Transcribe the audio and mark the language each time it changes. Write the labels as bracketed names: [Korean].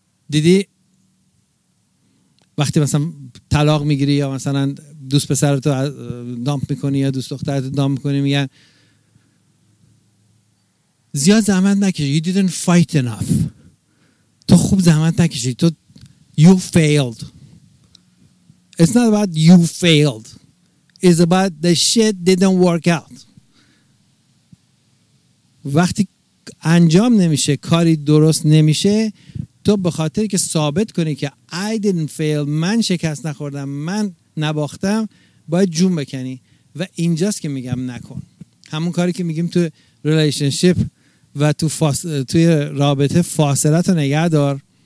[Persian] دیدی وقتی مثلا طلاق میگیری یا مثلا دوست پسرتو دامپ میکنی یا دوست دخترتو دامپ میکنی، میگن زیاد زحمت نکشی، [English] you didn't fight enough، [Persian] تو خوب زحمت نکشی، تو [English] you failed. It's not about you failed, it's about the shit didn't work out. [Persian] وقتی انجام نمیشه، کاری درست نمیشه، تو به خاطر که ثابت کنی که [English] I didn't fail، [Persian] من شکست نخوردم، من نباختم، باید جون بکنی. و اینجاست که میگم نکن. همون کاری که میگیم تو ریلیشنشیپ و تو توی رابطه، فاصله تو نگه دار.